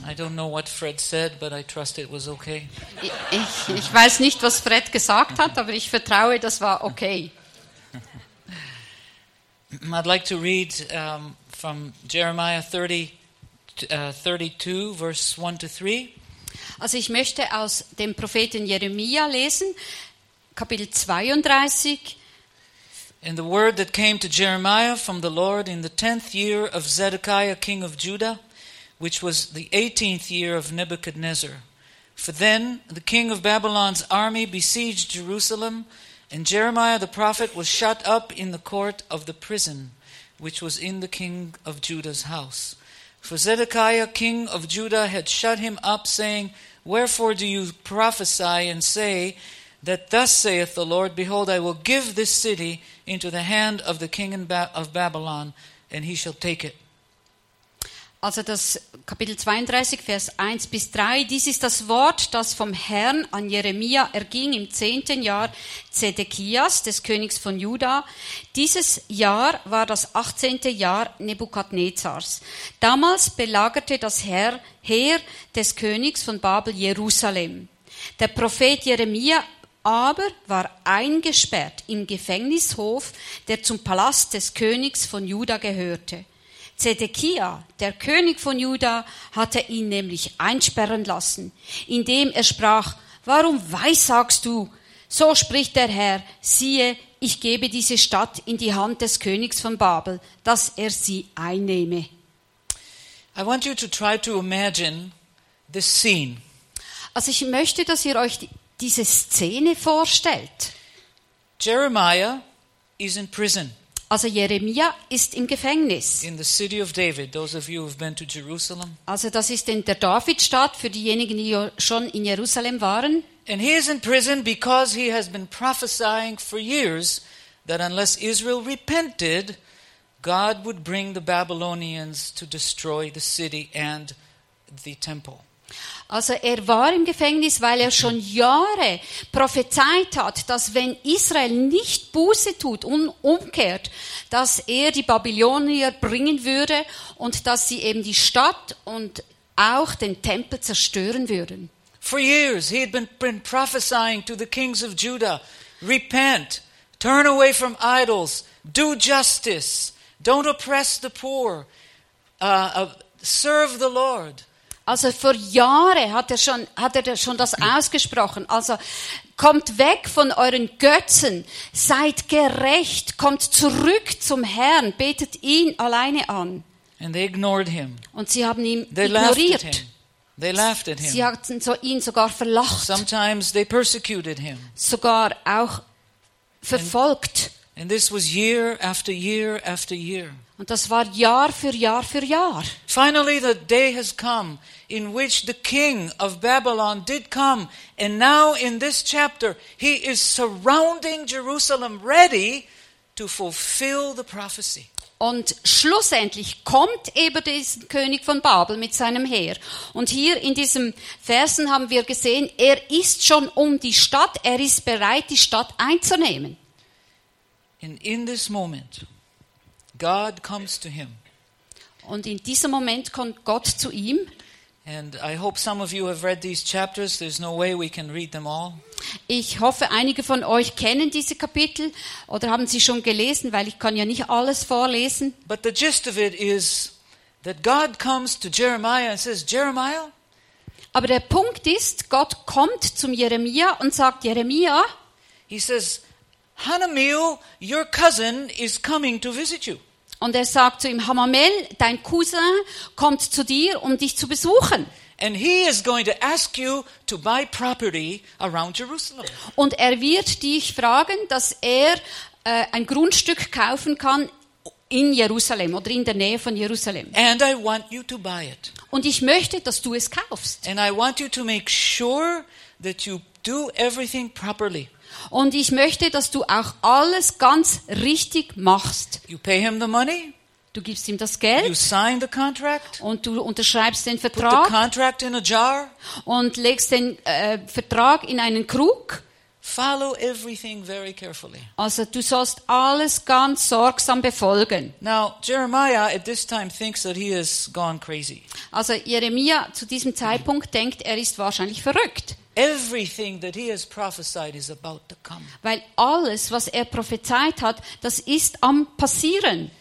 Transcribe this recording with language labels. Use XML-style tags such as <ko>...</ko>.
<en>I don't know what Fred said, but I trust it was okay.</en> <de>Ich weiß nicht, was Fred gesagt hat, aber ich vertraue, das war okay.</de> <en>I'd like to read from Jeremiah 32, verse 1 to 3.</en> <de>Also ich möchte aus dem Propheten Jeremia lesen, Kapitel 32.</de> <en>And the word that came to Jeremiah from the Lord in the 10th year of Zedekiah, king of Judah, which was the 18th year of Nebuchadnezzar, For then the king of Babylon's army besieged Jerusalem, and Jeremiah the prophet was shut up in the court of the prison, which was in the king of Judah's house. For Zedekiah, king of Judah, had shut him up, saying, Wherefore do you prophesy and say that thus saith the Lord, Behold, I will give this city into the hand of the king of Babylon, and he shall take it.</en> <de>Also das Kapitel 32, Vers 1 bis 3, dies ist das Wort, das vom Herrn an Jeremia erging im 10. Jahr Zedekias, des Königs von Juda. Dieses Jahr war das 18. Jahr Nebukadnezars. Damals belagerte das Heer des Königs von Babel Jerusalem. Der Prophet Jeremia aber war eingesperrt im Gefängnishof, der zum Palast des Königs von Juda gehörte. Zedekia, der König von Juda, hatte ihn nämlich einsperren lassen, indem er sprach, Warum weissagst du? So spricht der Herr, siehe, ich gebe diese Stadt in die Hand des Königs von Babel, dass er sie einnehme.</de> <en>I want you to try to imagine this scene.</en> <de>Also ich möchte, dass ihr euch diese Szene vorstellt.</de> <en>Jeremiah is in prison.</en> <de>Also Jeremia ist im Gefängnis.</de> <en>In the city of David, those of you who have been to Jerusalem.</en> <de>Also das ist in der Davidstadt für diejenigen, die schon in Jerusalem waren.</de> <en>And he is in prison because he has been prophesying for years that unless Israel repented, God would bring the Babylonians to destroy the city and the temple.</en> <de>Also er war im Gefängnis, weil er schon Jahre prophezeit hat, dass wenn Israel nicht Buße tut und umkehrt, dass er die Babylonier bringen würde und dass sie eben die Stadt und auch den Tempel zerstören würden.</de> <en>For years he had been prophesying to the kings of Judah, repent, turn away from idols, do justice, don't oppress the poor, serve the Lord.</en> <de>Also vor Jahren hat er schon das ausgesprochen. Also kommt weg von euren Götzen, seid gerecht, kommt zurück zum Herrn, betet ihn alleine an.</de> <en>And they ignored him.</en> <de>Und sie haben ihn ignoriert.</de> <en>They laughed at him.</en> <de>Sie hatten ihn sogar verlacht.</de> <en>Sometimes they persecuted him.</en> <de>Sogar auch verfolgt.</de> <en>And this was year after year after year.</en> <de>Und das war Jahr für Jahr für Jahr.</de> <en>Finally the day has come in which the king of Babylon did come, and now in this chapter he is surrounding Jerusalem ready to fulfill the prophecy.</en> <de>Und schlussendlich kommt eben dieser König von Babel mit seinem Heer. Und hier in diesem Versen haben wir gesehen, er ist schon um die Stadt, er ist bereit, die Stadt einzunehmen.</de> <en>And in this moment God comes to him.</en> <de>Und in diesem Moment kommt Gott zu ihm.</de> <en>And I hope some of you have read these chapters. There's no way we can read them all.</en> <de>Ich hoffe, einige von euch kennen diese Kapitel oder haben sie schon gelesen, weil ich kann ja nicht alles vorlesen.</de> <en>But the gist of it is that God comes to Jeremiah and says, Jeremiah.</en> <de>Aber der Punkt ist, Gott kommt zum Jeremia und sagt, Jeremia.</de> <en>He says, Hanamel, your cousin is coming to visit you.</en> <de>Und er sagt zu ihm, Hanamel, dein Cousin kommt zu dir, um dich zu besuchen.</de> <en>And he is going to ask you to buy property around Jerusalem.</en> <de>Und er wird dich fragen, dass er ein Grundstück kaufen kann in Jerusalem oder in der Nähe von Jerusalem.</de> <en>And I want you to buy it.</en> <de>Und ich möchte, dass du es kaufst.</de> <en>And I want you to make sure that you do everything properly.</en> <de>Und ich möchte, dass du auch alles ganz richtig machst.</de> <en>You pay him the money.</en> <de>Du gibst ihm das Geld.</de> <en>You sign the contract.</en> <de>Und du unterschreibst den Vertrag.</de> <en>Put the contract in a jar.</en> <de>Und legst den Vertrag in einen Krug.</de> <en>Follow everything very carefully.</en> <de>Also du sollst alles ganz sorgsam befolgen.</de> <en>Now Jeremiah at this time thinks that he has gone crazy.</en> <de>Also Jeremia zu diesem Zeitpunkt denkt, er ist wahrscheinlich verrückt.</de> <en>Everything that he has prophesied is about to come.</en> <de>Weil alles, was er prophezeit hat, das ist am passieren.</de>